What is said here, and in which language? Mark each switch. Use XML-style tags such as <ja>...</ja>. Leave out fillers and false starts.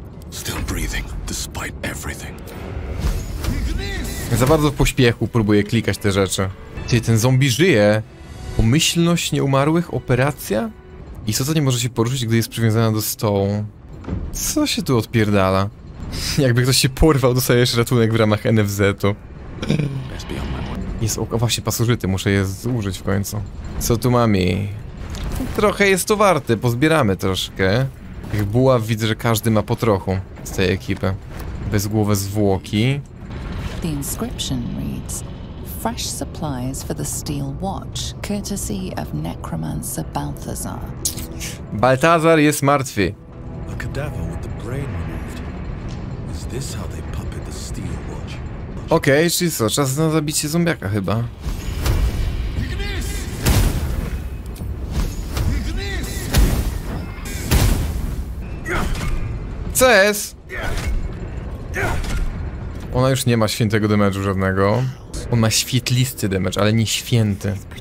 <en>Still breathing, despite everything.</en> <pl>Za bardzo w pośpiechu próbuję klikać te rzeczy. Ty, ten zombie żyje. Pomyślność nieumarłych, operacja? I co to nie może się poruszyć, gdy jest przywiązana do stołu? Co się tu odpierdala? Jakby ktoś się porwał, dostajesz ratunek w ramach NFZ-u. Jest, właśnie pasożyty, muszę je zużyć w końcu. Co tu mamy? Trochę jest to warte, pozbieramy troszkę. Tych buław widzę, że każdy ma po trochu z tej ekipy. Bezgłowe zwłoki.</pl> <en>The inscription reads: Fresh supplies for the steel watch, courtesy of necromancer Balthazar.</en> <pl>Balthazar jest martwy.</pl> <en>A cadaver with the brain removed. Is this how they puppet the steel watch?</en> <pl>Okej, czyli co, czas na zabicie zombiaka chyba. Co jest? Ona już nie ma świętego damage'u żadnego. On ma świetlisty damage, ale nie święty.</pl>